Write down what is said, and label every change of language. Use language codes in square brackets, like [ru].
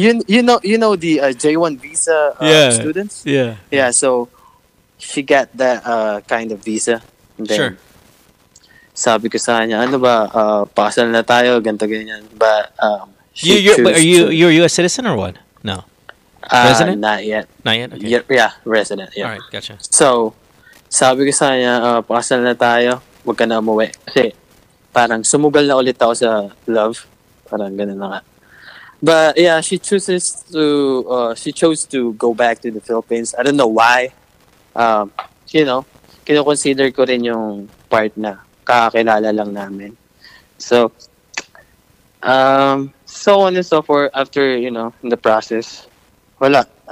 [en] you know the J-1 visa students? Yeah. Yeah, so she got that kind of visa. Then, sure. [tl] Sabi ko sa kanya, ano ba, pasal na tayo, ganto ganyan. [en] But are you a citizen or what? No. Resident? Not yet. Not yet? Okay. Yeah, resident. Yeah. Alright, gotcha. [tl] So, sabi ko sa kanya, pasal na tayo, huwag ka na umuwi. Kasi, parang sumugal na ulit ako sa love. Parang ganun na nga. [en] But yeah, she chose to go back to the Philippines. I don't know why. [tl] Kinoconsider ko rin yung part na kakakilala lang namin. [en] So, so on and so forth, after, you know, in the process, [tl] wala.